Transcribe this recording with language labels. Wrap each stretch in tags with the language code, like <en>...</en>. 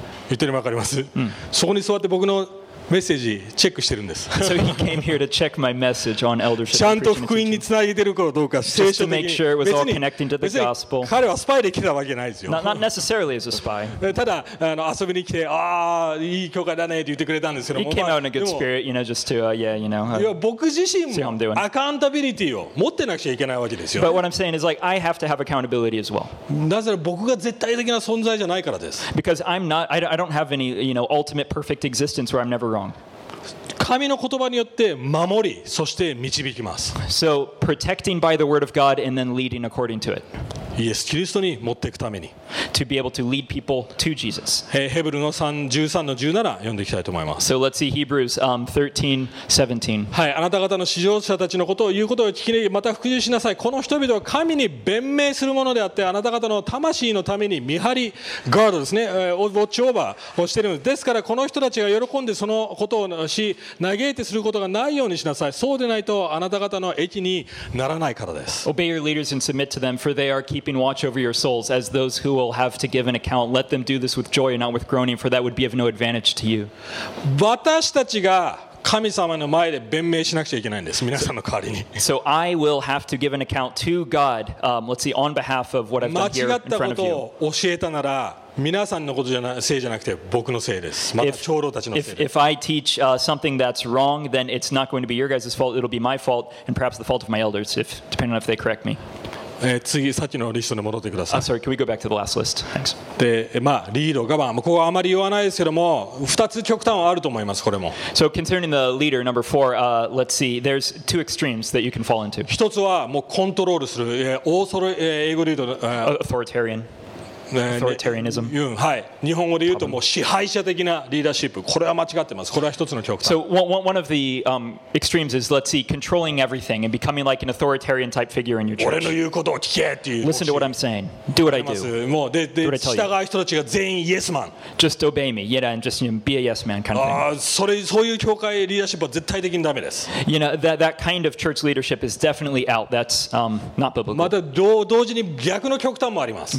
<ja>言ってるのわかります、うん、そこに座って僕のメッセージチェックしてるんです。</ja> <en>So he came here to check my message on eldership.</en> <ja>ちゃんと福音につなげてるかどうか、聖書的に。</ja> <en>Just to make sure it was all connecting to the gospel.</en> <ja>彼はスパイで来たわけないですよ。</ja> <en>Not necessarily as a spy.</en> <ja>ただ遊びに来て、ああいい教会だねって言ってくれたんですけども</ja> <en>。He came out in a good spirit, you know, just to, yeah, you know.</en> <ja>いや僕自身もアカウンタビリティを持ってなくちゃいけないわけですよ。</ja> <en>But what I'm saying is like I have to have accountability as well.</en> <ja>なぜなら僕が絶対的な存在じゃないからです。</ja> <en>Because I'm not, I don't have any, you know, ultimate perfect existence where I'm never wrong.</en> <ja>神の言葉によって守り、そして導きます。</ja> <en>So protecting by the word of God and then leading according to it.</en> <ja>イエス・キリストに持っていくために。</ja> <en>To be able to lead people to Jesus.</en> <ja>ヘブルの3:13の17読んでいきたいと思います。</ja> <en>So let's see Hebrews 13:17.</en> <ja>はい、あなた方の指導者たちのことを言うことを聞きに、また服従しなさい。この人々は神に弁明するものであって、あなた方の魂のために見張り、ガードですね、ウォッチオーバーをしているんです。ですからこの人たちが喜んでそのことをし、嘆いてすることがないようにしなさい。そうでないとあなた方の益にならないからです。</ja> <en>Obey your leaders and submit to them, for they are keeping watch over your souls as those who will have to give an account. Let them do this with joy and not with groaning, for that would be of no advantage to you.</en> <ja>私たちが神様の前で弁明しなくちゃいけないんです、皆さんの代わりに。</ja> <en>So I will have to give an account to God, let's see, on behalf of what I've done here in front of you.</en> <ja>間違ったことを教えたなら皆さんのことじゃない、せいじゃなくて僕のせいです。また長老たちのせいです。</ja> <en>If I teach something that's wrong, then it's not going to be your guys' fault. It'll be my fault and perhaps the fault of my elders, if depending on if they correct me.</en> <ja>次、さっきのリストに戻ってください。</ja> <en>I'm sorry, can we go back to the last list? Thanks.</en> <ja>で、まあ、リード、ガバン、ここはあまり言わないですけども、2つ極端はあると思います、これも。</ja> <en>So concerning the leader, number four, let's see, there's two extremes that you can fall into.</en> <ja>1つはもうコントロールする、オーソル、英語で言うと、</ja> <en>authoritarian. authoritarianism. So one of the extremes is, let's see, controlling everything and becoming like an authoritarian type figure in your church. Listen to what I'm saying. Do what I do.</en> <ja>もうで従う人たちが全員イエスマン</ja> <en>just obey me, yeah, and just, you know, be a yes man kind of thing.</en> <ja>それそういう教会リーダーシップは絶対的にダメです。</ja> <en>You know, that kind of church leadership is definitely out. That's not biblical.</en> <ja>また同時に逆の極端もあります。</ja>